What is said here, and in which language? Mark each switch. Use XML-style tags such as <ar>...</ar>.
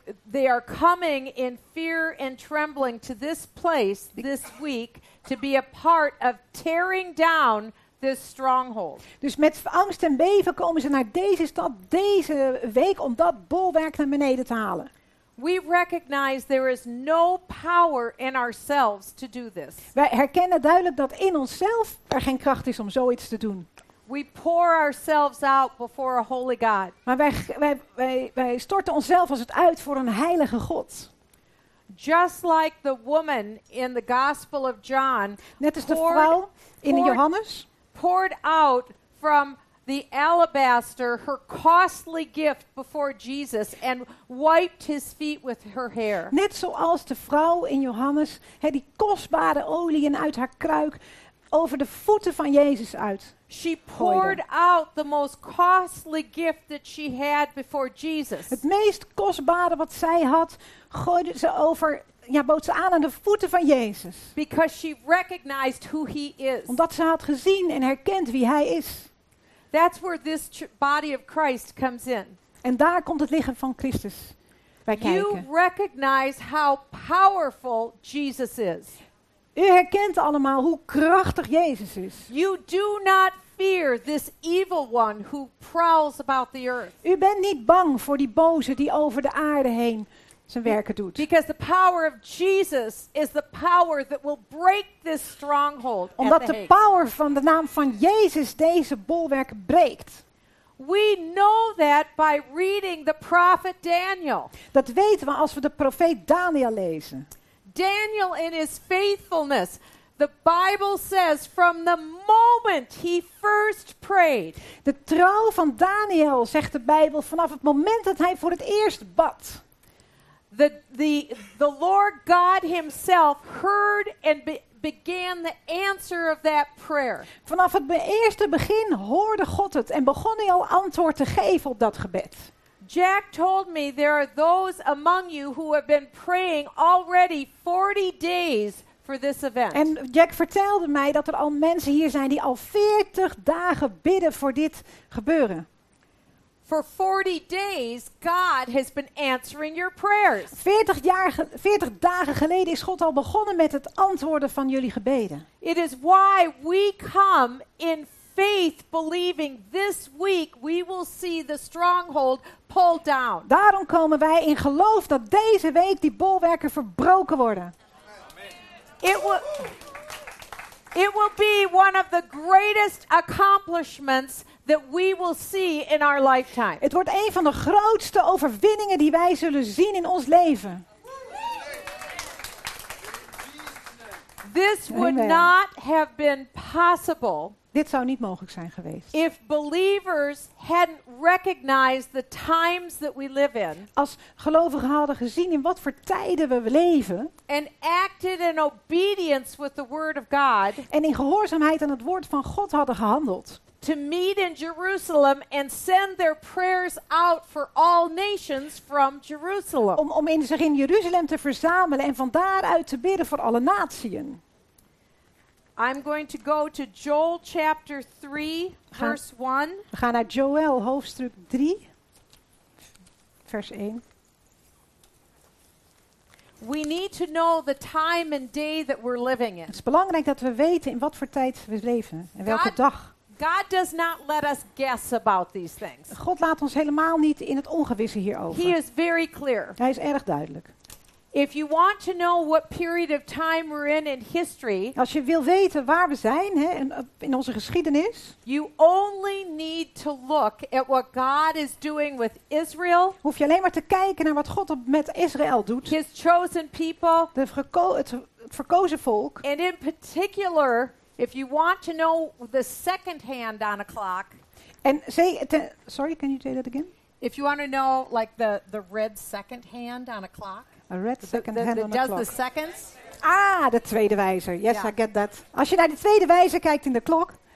<en>They are coming in fear and trembling to this place this week to be a part of tearing down this stronghold.</en> <nl>Dus met angst en beven komen ze naar deze stad deze week om dat bolwerk naar beneden te halen.</nl> <en>We recognize there is no power in ourselves to do this.</en> <nl>Wij herkennen duidelijk dat in onszelf er geen kracht is om zoiets te doen.</nl> <en>We pour ourselves out before a holy God.</en> <nl>Maar wij storten onszelf als het uit voor een heilige God.</nl> <en>Just like the woman in the Gospel of John,</en> <nl>net als de vrouw in Johannes,</nl> <en>poured out from the alabaster, her costly gift before Jesus, and wiped his feet with her hair.</en> <nl>Net zoals de vrouw in Johannes, die kostbare olie uit haar kruik over de voeten van Jezus uit.</nl> <en>She poured out the most costly gift that she had before Jesus.</en> <nl>Het meest kostbare wat zij had, gooide ze over. Ja, bood ze aan de voeten van Jezus.</nl> <en>Because she recognized who he is.</en> <nl>Omdat ze had gezien en herkend wie hij is.</nl> <en>That's where this body of Christ comes in.</en> <nl>En daar komt het lichaam van Christus bij kijken.</nl> <en>You recognize how powerful Jesus is.</en> <nl>U herkent allemaal hoe krachtig Jezus is.</nl> <en>You do not fear this evil one who prowls about the earth.</en> <nl>U bent niet bang voor die boze die over de aarde heen zijn werken doet.</nl> <en>Because the power of Jesus is the power that will break this stronghold.</en> <nl>Omdat de power van de naam van Jezus deze bolwerk breekt.</nl> <en>We know that by reading the prophet Daniel.</en> <nl>Dat weten we als we de profeet Daniel lezen.</nl> <en>Daniel in his faithfulness. The Bible says from the moment he first prayed.</en> <nl>De trouw van Daniel zegt de Bijbel vanaf het moment dat hij voor het eerst bad.</nl> <en>The Lord God himself heard and began the answer of that prayer.</en> <nl>Vanaf het eerste begin hoorde God het en begon hij al antwoord te geven op dat gebed.</nl> <en>Jack told me there are those among you who have been praying already 40 days for this event.</en> <nl>En Jack vertelde mij dat er al mensen hier zijn die al 40 dagen bidden voor dit gebeuren.</nl> <en>For 40 days God has been answering your prayers.</en> <nl>40 dagen geleden is God al begonnen met het antwoorden van jullie gebeden.</nl> <en>It is why we come in faith, believing this week we will see the stronghold pulled down.</en> <nl>Daarom komen wij in geloof dat deze week die bolwerken verbroken worden.</nl> <en>It will be one of the greatest accomplishments that we will see in our lifetime.</en> <nl>Het wordt een van de grootste overwinningen die wij zullen zien in ons leven.</nl> <en>This would not have been possible.</en> <nl>Dit zou niet mogelijk zijn geweest.</nl> <en>If believers hadn't recognized the times that we live in.</en> <nl>Als gelovigen hadden gezien in wat voor tijden we leven.</nl> <en>And acted in obedience with the word of God.</en> <nl>En in gehoorzaamheid aan het woord van God hadden gehandeld.</nl> <en>To meet in Jerusalem and send their prayers out for all nations from Jerusalem.</en> <nl>Om zich in Jeruzalem te verzamelen en van daaruit te bidden voor alle naties.</nl> <en>I'm going to go to Joel chapter 3, verse 1.</en> <nl>We gaan naar Joel hoofdstuk 3, vers 1.</nl> <en>We need to know the time and day that we're living in.</en> <nl>Het is belangrijk dat we weten in wat voor tijd we leven en welke dag.</nl> <en>God does not let us guess about these things.</en> <nl>God laat ons helemaal niet in het ongewisse hierover.</nl> <en>He is very clear.</en> <nl>Hij is erg duidelijk.</nl> <en>If you want to know what period of time we're in history,</en> <nl>als je wil weten waar we zijn, hè, in onze geschiedenis,</nl> <en>you only need to look at what God is doing with Israel.</en> <nl>Hoef je alleen maar te kijken naar wat God met Israël doet.</nl> <en>His chosen people.</en> <nl>Het verkozen volk.</nl> <en>And in particular, if you want to know the second hand on a clock. And say, can you say that again? If you want to know, like the red second hand on a clock. A red second hand on a clock. Does the seconds?</en> <nl>Ah, de tweede wijzer.</nl> <en>Yes, yeah. I get that.</en> <nl>Als je naar de tweede wijzer kijkt in de klok.</nl>